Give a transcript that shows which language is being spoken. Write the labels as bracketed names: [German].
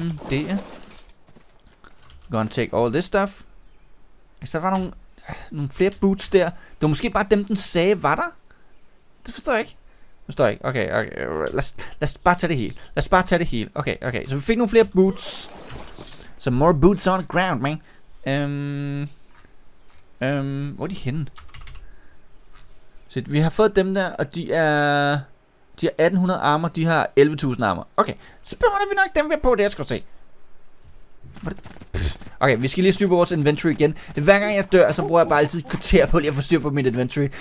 [Danish] Det er. [English] Gonna take all this stuff. [Danish] Så var nogle flere boots der. Det var måske bare dem, den sagde, var der? Det forstår jeg ikke. Forstår jeg ikke. Okay, okay. Lad os bare tage det hele. Lad os bare tage det hele. Okay, okay. Så vi fik nogle flere boots. [English] Some more boots on the ground, man. [Danish] Hvor er de henne? Så vi har fået dem der, og de har 1800 armor, de har 11000 armor. Okay, så beholder vi nok dem ved på, det jeg skal se. Okay, vi skal lige styre på vores inventory igen. Hver gang jeg dør, så bruger jeg bare altid et kvarter på lige at få styr på mit inventory.